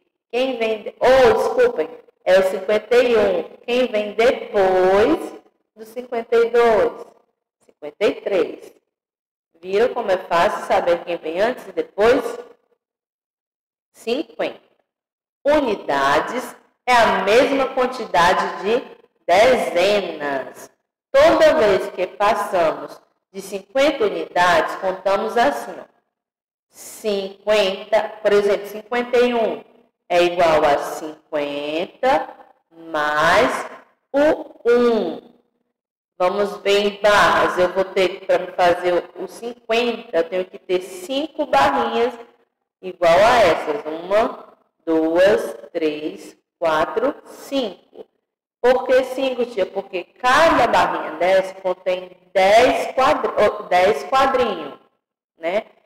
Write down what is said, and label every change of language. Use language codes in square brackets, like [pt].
[pt] Quem vem... Oh, desculpem. É o 51. Quem vem depois dos 52, 53. [es] ¿Vieron cómo es fácil saber quién viene antes y después? 50. Unidades es la misma cantidad de dezenas. Toda vez que pasamos de 50 unidades, contamos así. 50, por ejemplo, 51 es igual a 50 más o 1. [pt] Vamos ver em barras. Eu vou ter que, para fazer o 50, eu tenho que ter 5 barrinhas igual a essas. 1, 2, 3, 4, 5. Por que 5, tia? Porque cada barrinha dessa contém 10 quadrinhos, né?